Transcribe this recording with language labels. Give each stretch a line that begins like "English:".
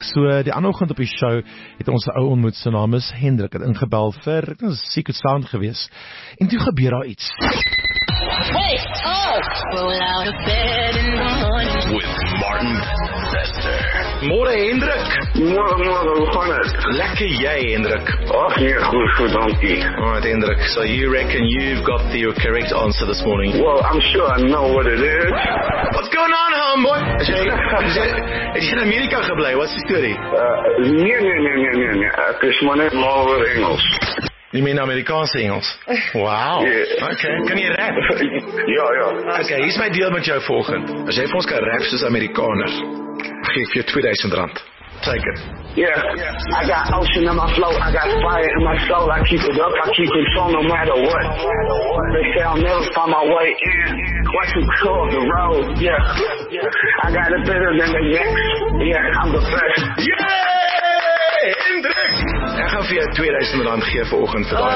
Afrikaans: So die ander oggend op die show het ons 'n ou ontmoet, sy naam is Hendrik, het ingebel vir, ek dink 'n Secret Sound gewees. En toe gebeur daar iets.
English: Hey, oh, roll out of bed in the morning with Martin Sester.
Afrikaans: Môre Hendrik. Môre, môre, hoe gaan dit? Lekker jy Hendrik. Ag nee, goed, goed, dankie.
English: Alright Hendrik, so you reckon you've got the correct answer this morning? Well, I'm sure I know what it is. What's going on, homeboy?
Afrikaans: Is jy in Amerika gebly?
English: What's the story?
Afrikaans: Nee. Ek is maar net maar Engels.
English: You mean
Afrikaans: Amerikaanse Engels?
English: Wow. Yeah.
Afrikaans: Okay, kan jy rap? Ja. Okay, hier is my deal met jou volgend. As jy vir ons kan rap soos Amerikaners, geef je R2000.
English: Take it. Yeah. I got ocean in my flow. I got fire in my soul. I keep it up. I keep it strong no matter what. They say I'll never find my way in. Watch me cross the road. Yeah. I got it better than the next. Yeah, I'm the best. Yeah! Hendrik!
Afrikaans: Ek gaan vir jou R2000 gee vir oggend vir daai.